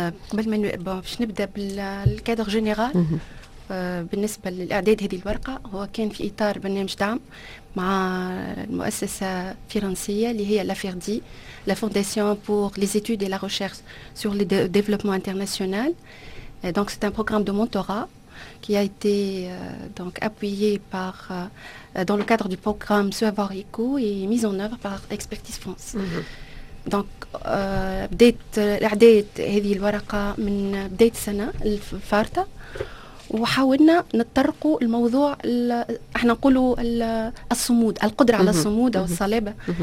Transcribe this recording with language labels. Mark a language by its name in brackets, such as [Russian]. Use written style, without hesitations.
[Arabic] قبل ما باش نبدا بالكادر جينيرال, بالنسبه للاعداد هذه الورقه هو كان في اطار برنامج دعم مع المؤسسه الفرنسيه اللي هي لافيردي, [French] la Fondation pour les études et la recherche sur le développement international. Et donc c'est un programme de mentorat qui a été donc appuyé par dans le cadre du programme Savoir Eco et mis en œuvre par Expertise France. [Arabic] Donc بديت هذه الورقة من بداية السنة الفارطة, وحاولنا نتطرقوا الموضوع احنا نقولوا الصمود, القدرة على الصمود أو الصلابة.